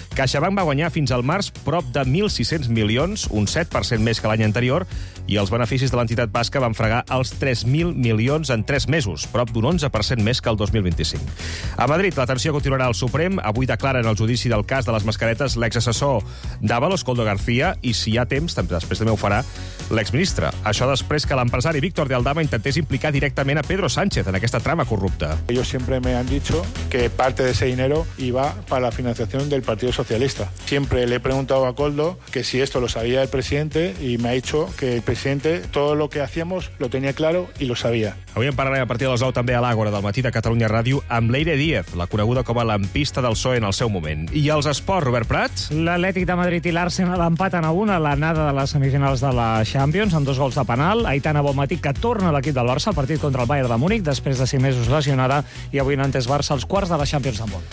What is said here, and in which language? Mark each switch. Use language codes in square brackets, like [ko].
[ca] CaixaBank va guanyar fins al març prop de 1.600 milions, un 7% més que l'any anterior, i els beneficis de l'entitat basca van fregar els 3.000 milions en 3 mesos, prop d'un 11% més que el 2025. A Madrid, l'atenció continuarà al Suprem. Avui declara en el judici del cas de les mascaretes l'exassessor d'Avalos, Koldo García, i si hi ha temps, després també ho farà l'exministre. Això després que l'empresari Víctor de Aldama intentés implicar directament a Pedro Sánchez en aquesta trama corrupta. [es] Ellos siempre me han dicho que parte de ese dinero iba para la financiación del Partido Socialista. Siempre le he preguntado a Koldo que si esto lo sabía el presidente, y me ha dicho que el presidente todo lo que hacíamos lo tenía claro y lo sabía. [ca] Avui en parlarem a partir de les 9 també a l'Àgora del matí de Catalunya Ràdio amb Leire Díez, la coneguda com a lampista del PSOE en el seu moment. I els esports, Robert Prat? L'Atlètic de Madrid i l'Arsenal empaten a una a l'anada de les semifinals de la Champions amb dos gols de penal. Aitana Bonmatí, que torna a l'equip del Barça al partit contra el Bayern de Múnich després de 5 mesos lesionada, i avui n'ha entès Barça als quarts de la Champions de món.